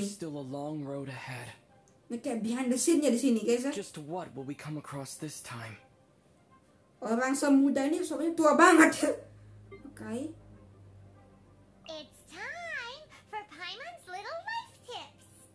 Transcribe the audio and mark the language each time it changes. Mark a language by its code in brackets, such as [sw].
[en] There's still a long road ahead. Okay, behind the scene-nya [id] di sini [en] guys. Just what will we come across this time? [id] Orang semuda ini soalnya tua banget. [en] Okay. It's time for Paimon's little life tips.